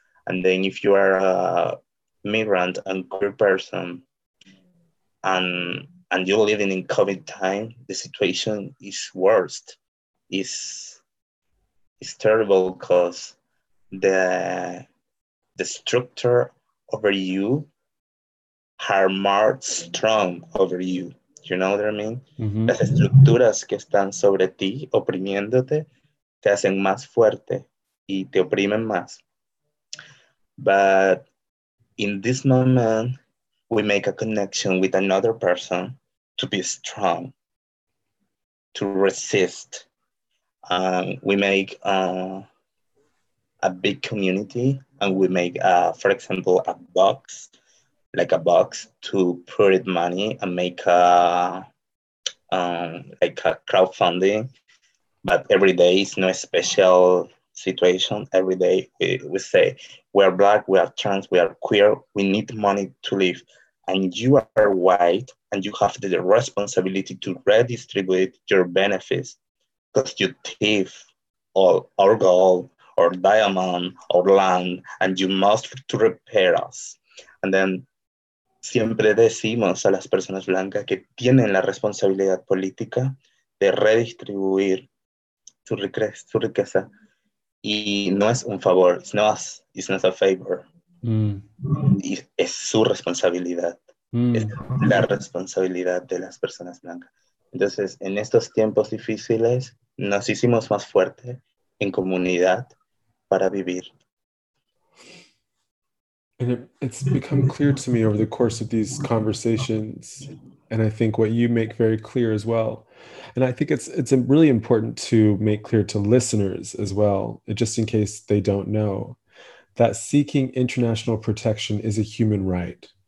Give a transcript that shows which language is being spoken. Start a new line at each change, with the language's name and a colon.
English: And then if you are a migrant and queer person and you're living in COVID time, the situation is worst. It's terrible because the structure over you are marked strong over you. You know what I mean? Mm-hmm.
Spanish: Las estructuras que están sobre ti oprimiéndote te hacen más fuerte y te oprimen más.
English: But in this moment, we make a connection with another person to be strong, to resist. We make a big community and we make, for example, a box, like a box to put it money and make a, like a crowdfunding. But every day is no special situation. Every day we say, we are Black, we are trans, we are queer, we need money to live. And you are white and you have the responsibility to redistribute your benefits. Because you thief all our gold or diamond or land and you must to repair us. And then
Spanish: siempre decimos a las personas blancas que tienen la responsabilidad política de redistribuir su riqueza. Y no es un favor,
English: it's not us, it's not a favor. Mm.
Spanish: Y es su responsabilidad. Mm. Es la responsabilidad de las personas blancas. Entonces, en estos tiempos difíciles, nos hicimos más fuerte en comunidad para vivir.
English: And it's become clear to me over the course of these conversations, and I think what you make very clear as well, and I think it's really important to make clear to listeners as well, just in case they don't know, that seeking international protection is a human right.